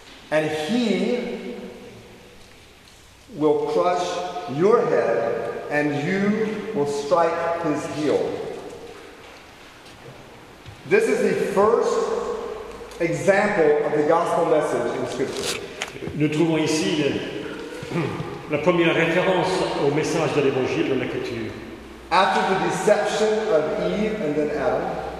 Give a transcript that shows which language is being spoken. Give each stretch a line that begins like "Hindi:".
English: And he will crush your head, and you will strike his heel. This is the first example of the gospel message in Scripture.
French: Nous trouvons ici la première référence au message de l'Évangile dans l'Écriture.
English: After the deception of Eve and then Adam,